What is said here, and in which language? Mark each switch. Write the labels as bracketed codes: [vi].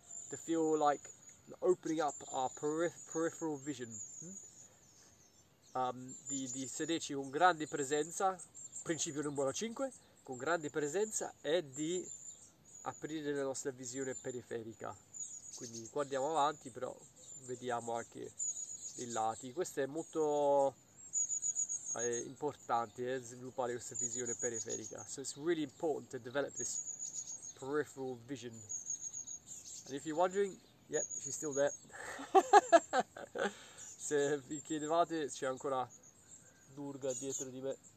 [en] To feel like opening up our peripheral vision. [it] Di sederci con grande presenza, principio numero cinque, con grande presenza, è di aprire la nostra visione periferica. Quindi guardiamo avanti, però vediamo anche I lati. Questo è molto... è importante sviluppare questa visione periferica. [en] So it's really important to develop this peripheral vision. And if you're wondering, yep, she's still there. [it] Se vi chiedevate, c'è ancora Durga dietro di me.